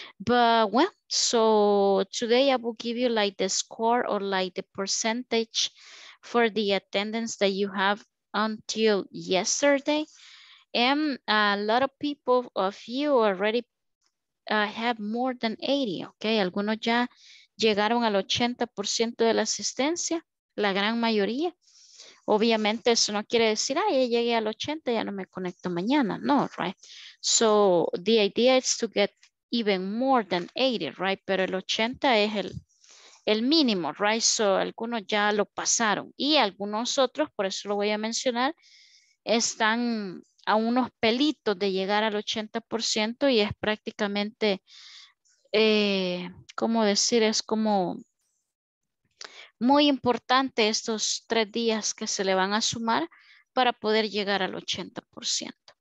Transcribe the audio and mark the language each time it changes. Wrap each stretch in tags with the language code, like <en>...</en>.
<en>But well, so today I will give you like the score or like the percentage for the attendance that you have until yesterday. And a lot of people of you already have more than 80, okay?</en> <es>Algunos ya llegaron al 80% de la asistencia, la gran mayoría. Obviamente eso no quiere decir, ah, ya llegué al 80, ya no me conecto mañana.</es> <en>No, right? So the idea is to get even more than 80, right?</en> <es>Pero el 80 es el mínimo, right? So algunos ya lo pasaron. Y algunos otros, por eso lo voy a mencionar, están a unos pelitos de llegar al 80% y es prácticamente, ¿cómo decir? Es como muy importante estos 3 días que se le van a sumar para poder llegar al 80%.</es>